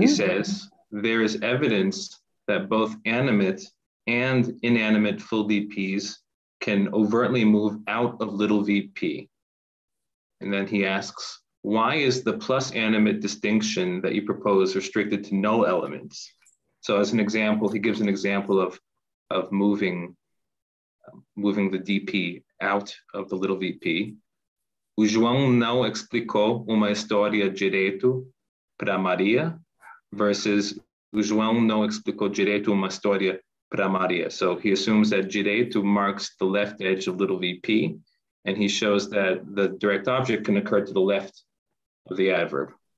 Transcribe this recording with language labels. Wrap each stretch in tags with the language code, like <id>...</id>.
<en>He says, there is evidence that both animate and inanimate full VPs can overtly move out of little VP. And then he asks, why is the plus animate distinction that you propose restricted to null elements? So as an example, he gives an example of moving the DP out of the little VP.</en> <pt>O João não explicou uma história direito para Maria versus o João não explicou direito uma história para Maria.</pt> <en>So he assumes that direito marks the left edge of little VP, and he shows that the direct object can occur to the left of the adverb.</en>